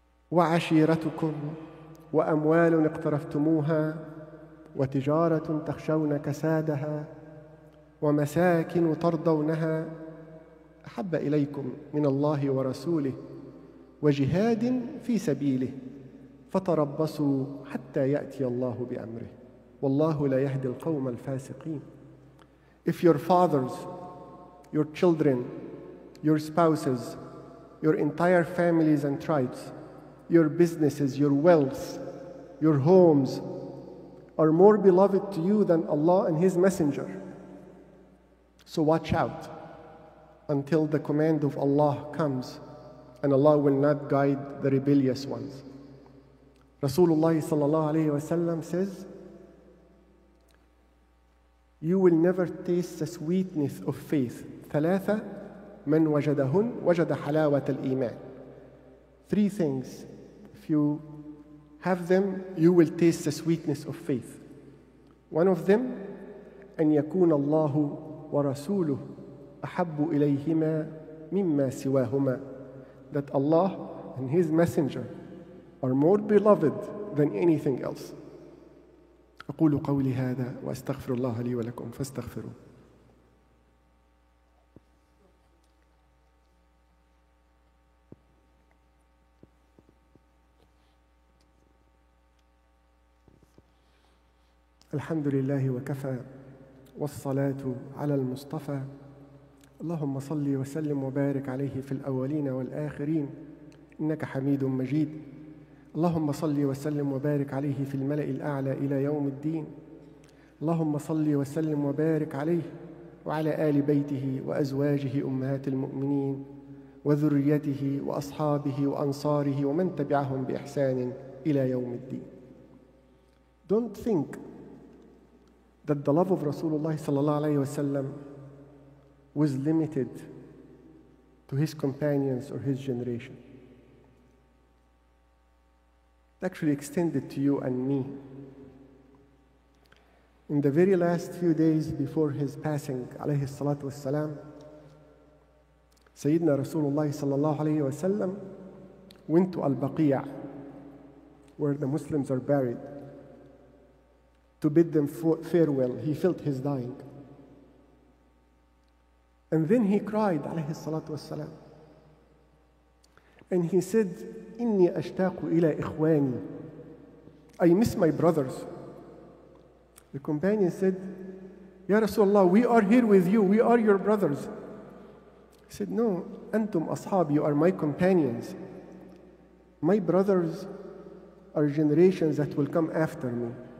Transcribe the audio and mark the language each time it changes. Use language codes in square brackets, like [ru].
[ar] وَعَشِيرَتُكُمْ وَأَمْوَالٌ اقْتَرَفْتُمُوهَا وَتِجَارَةٌ تَخْشَوْنَ كَسَادَهَا وَمَسَاكِنُ تَرْضَوْنَهَا أَحَبَّ إِلَيْكُمْ مِنَ اللَّهِ وَرَسُولِهِ وَجِهَادٍ فِي سَبِيلِهِ فَتَرَبَّصُوا حَتَّى يَأْتِيَ اللَّهُ بِأَمْرِهِ وَاللَّهُ لَا يَهْدِي الْقَوْمَ الْفَاسِقِينَ. [en] If your fathers, your children, your spouses, your entire families and tribes, your businesses, your wealth, your homes are more beloved to you than Allah and His Messenger, so watch out until the command of Allah comes and Allah will not guide the rebellious ones. Rasulullah sallallahu alayhi wa sallam says, you will never taste the sweetness of faith. [ar] ثلاثة من وجدهن وجد حلاوة الإيمان. [en] Three things, if you have them, you will taste the sweetness of faith. One of them, [ar] أن يكون الله ورسوله أحب إليهما مما سواهما. [en] That Allah and His Messenger are more beloved than anything else. [ar] أقول قولي هذا وأستغفر الله لي ولكم فاستغفروه. الحمد لله وكفى والصلاة على المصطفى. اللهم صل وسلم وبارك عليه في الأولين والآخرين إنك حميد مجيد. اللهم صل وسلم وبارك عليه في الملأ الأعلى إلى يوم الدين. اللهم صل وسلم وبارك عليه وعلى آل بيته وأزواجه أمهات المؤمنين وذريته وأصحابه وأنصاره ومن تبعهم بإحسان إلى يوم الدين. [en] Don't think that the love of Rasulullah sallallahu alayhi wa sallam was limited to his companions or his generation. It actually extended to you and me. In the very last few days before his passing, alayhi salatu wa salam, Sayyidina Rasulullah sallallahu alayhi wa sallam went to Al-Baqiyah, where the Muslims are buried, to bid them farewell. He felt his dying. And then he cried, alayhi salatu wa salam. And he said, [ar] إِنِّي أَشْتَاقُ إِلَىٰ إِخْوَانِي. [en] I miss my brothers. The companion said, Ya Rasulullah, we are here with you. We are your brothers. He said, no, [ar] أنتم أصحاب, [en] you are my companions. My brothers are generations that will come after me.